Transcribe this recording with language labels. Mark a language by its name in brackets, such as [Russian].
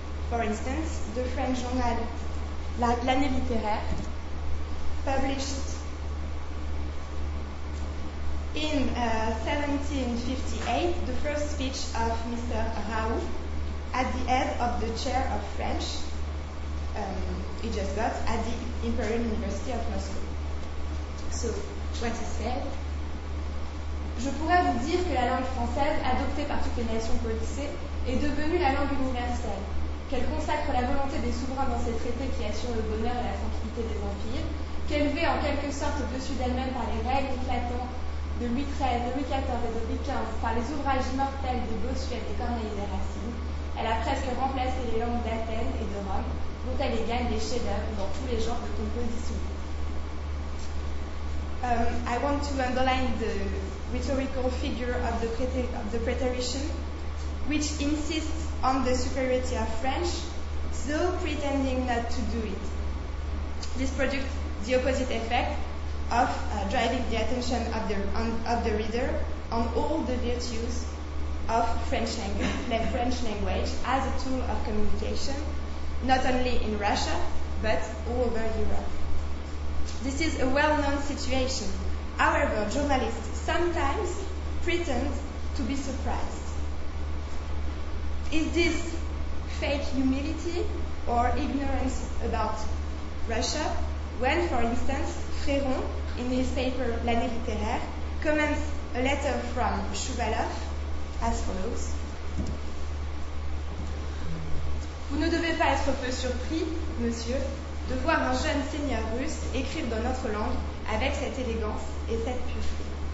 [English] For instance, the French journal L'Année Littéraire published in 1758 the first speech of Mr. Raoult at the head of the chair of French he just got at the Imperial University of Moscow. So, what he said? [French] Je pourrais vous dire que la langue française, adoptée par toutes les nations codifiées, est devenue la langue universelle, qu'elle consacre la volonté des souverains dans ses traités qui assurent le bonheur et la tranquillité des empires, qu'elle vit en quelque sorte au-dessus d'elle-même par les règles éclatantes de Louis XIII, de Louis XIV et de Louis XV, par les ouvrages immortels de Bossuet, de Corneille et de Racine, elle a presque remplacé les langues d'Athènes et de Rome, dont elle égale les chefs-d'œuvre dans tous les genres de composition. [English] I want to underline the rhetorical figure of the, rhetorician, which insists on the superiority of French, though pretending not to do it. This produces the opposite effect of driving the attention of the, reader on all the virtues of French language, the French language as a tool of communication, not only in Russia, but all over Europe. This is a well-known situation. However, journalists sometimes pretend to be surprised. Is this fake humility or ignorance about Russia when, for instance, Fréron, in his paper L'année littéraire, comments a letter from Shuvalov as follows. [French] Vous ne devez pas être peu surpris, monsieur, de voir un jeune seigneur russe écrire dans notre langue avec cette élégance et cette pureté.